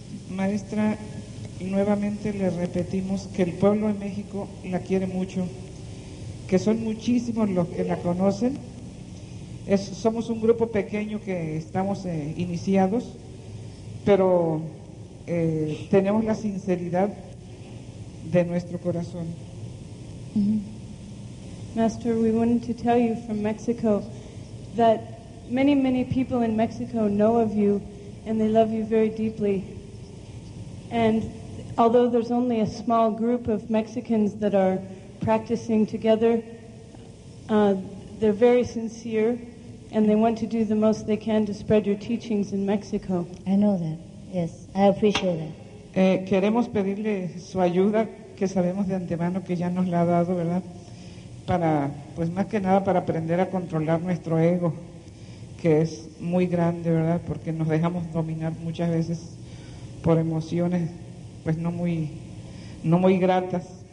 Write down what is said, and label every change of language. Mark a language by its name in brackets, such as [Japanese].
[Spanish] Maestra, nuevamente le repetimos que el pueblo de México la quiere mucho, que son muchísimos los que la conocen. Somos un grupo pequeño que estamos iniciados, pero tenemos la sinceridad de nuestro corazón. Mm-hmm. [English] Master, we wanted to tell you from Mexico that many, many people in Mexico know of you and they love you very deeply. And although there's only a small group of Mexicans that are practicing together, they're very sincere and they want to do the most they can to spread your teachings in Mexico. I know that. Yes, I appreciate that. [Spanish] Queremos pedirle su ayuda, que sabemos de antemano que ya nos la ha dado, ¿verdad? Para, pues más que nada, para aprender a controlar nuestro ego, que es muy grande, ¿verdad? Porque nos dejamos dominar muchas veces por emociones, pues no muy gratas.